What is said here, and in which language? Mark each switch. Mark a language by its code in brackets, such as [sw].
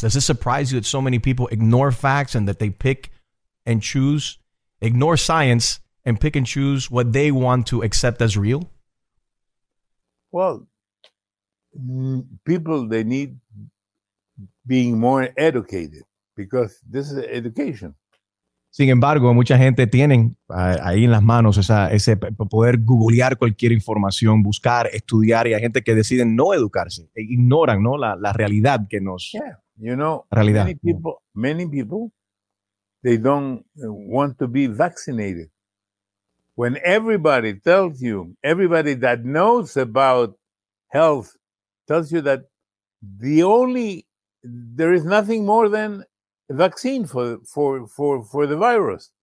[en] Does it surprise you that so many people ignore facts and that they pick and choose, ignore science and pick and choose what they want to accept as real? Well, people, they need being more educated, because this is education. [es] Sin embargo, mucha gente tiene ahí en las manos ese poder googlear cualquier información, buscar, estudiar, y hay gente que decide no educarse, e ignoran, ¿no? La realidad que nos... [en] Yeah, you know, many people, they don't want to be vaccinated. When everybody tells you, everybody that knows about health tells you that there is nothing more than vaccine for the virus.